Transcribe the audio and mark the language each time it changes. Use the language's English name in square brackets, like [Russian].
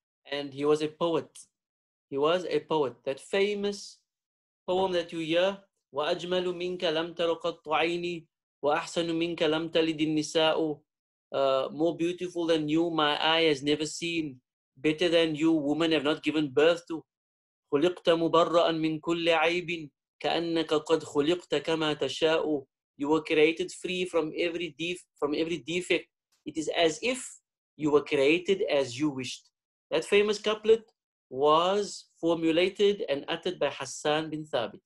[English] And he was a poet. He was a poet. That famous poem that you hear, [Arabic] وَأَجْمَلُ مِنْكَ لَمْ تَرُقَطْتُ عَيْنِي وَأَحْسَنُ مِنْكَ لَمْ تَلِدِ النِّسَاءُ [English] More beautiful than you, my eye has never seen. Better than you, women have not given birth to. [Arabic] خُلِقْتَ مُبَرَّأً مِنْ كُلِّ عَيْبٍ كَأَنَّكَ قَدْ خُلِقْتَ كَمَا تَشَاءُ [English] You were created free from every defect. It is as if you were created as you wished. That famous couplet was formulated and uttered by Hassan bin Thabit.